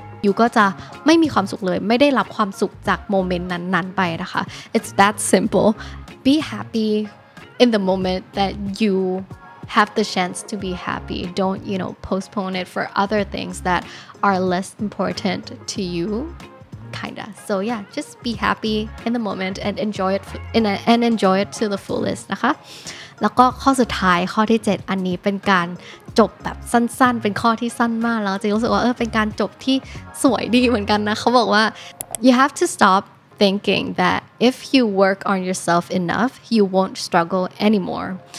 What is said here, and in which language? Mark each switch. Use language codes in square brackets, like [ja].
[th] อยู่ก็จะไม่มีความสุขเลยไม่ได้รับความสุขจากโมเมนต์นั้นๆไปนะคะ [en] It's that simple Be happy in the moment that you have the chance to be happy Don't you know postpone it for other things that are less important to youKinda. So yeah, just be happy in the moment and enjoy it and enjoy it to the fullest. [th] นะคะ แล้วก็ข้อสุดท้ายข้อที่7อันนี้เป็นการจบแบบสั้นๆเป็นข้อที่สั้นมากแล้วจะรู้สึกว่าเป็นการจบที่สวยดีเหมือนกันนะเขาบอกว่า [en] you have to stop thinking that if you work on yourself enough, you won't struggle anymore.